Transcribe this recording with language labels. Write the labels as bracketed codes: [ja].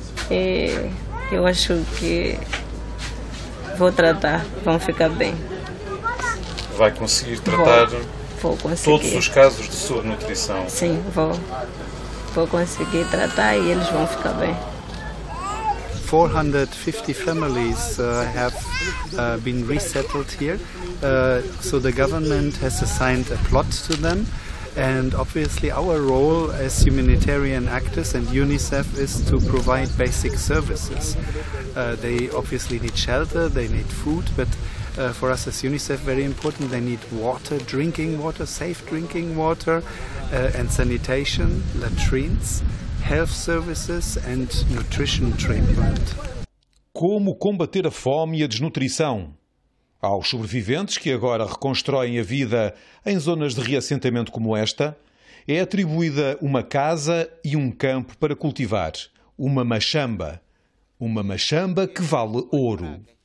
[pt] E eu acho que vou tratar, vão ficar bem. Vai conseguir tratar todos os casos de subnutrição? Sim, vou conseguir tratar e eles vão ficar bem. [en] 450 families have been resettled here, so the government has assigned a plot to them, and obviously our role as humanitarian actors and UNICEF is to provide basic services. They obviously need shelter, they need food, but for us as UNICEF, very important, they need water, drinking water, safe drinking water, and sanitation, latrines, health services and nutrition treatment. [pt] Como combater a fome e a desnutrição? Há os sobreviventes que agora reconstroem a vida em zonas de reassentamento como esta, é atribuída uma casa e um campo para cultivar, uma machamba. Uma machamba que vale ouro.